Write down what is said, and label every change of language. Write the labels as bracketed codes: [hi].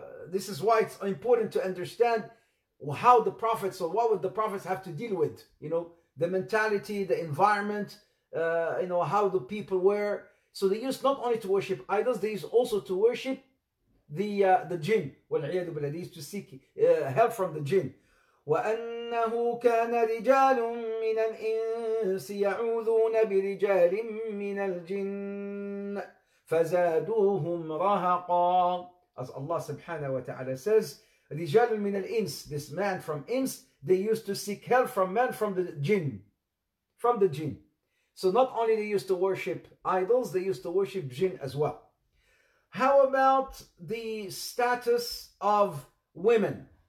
[en] This is why it's important to understand how the prophets, or what would the prophets have to deal with, you know, the mentality, the environment, you know, how the people were. So they used not only to worship idols, they used also to worship the jinn. [ar] وَالْعِيَدُ بِاللَّهِ. [en] They used to seek help from the jinn. [ar] وأنه كان رجال من الإنس يعوذون برجال من الجن فزادوهم رهقا. [en] As Allah subhanahu wa ta'ala says, [ar] رجال من الإنس, [en] this man from Ins, they used to seek help from men from the jinn. From the jinn. So not only they used to worship idols, they used to worship jinn as well. How about the status of women?